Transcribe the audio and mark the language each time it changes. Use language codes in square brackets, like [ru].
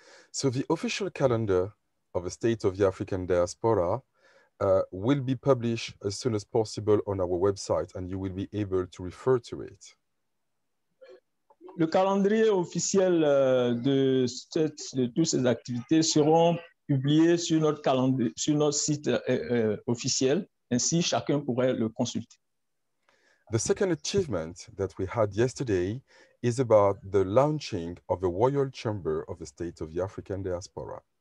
[en] So the official calendar of the State of the African Diaspora will be published as soon as possible on our website, and you will be able to refer to it. [fr] Le calendrier officiel de toutes ces activités seront publiés sur notre calendrier, sur notre site officiel. Ainsi, chacun pourrait le consulter. [en] The second achievement that we had yesterday is about the launching of the Royal Chamber of the State of the African Diaspora.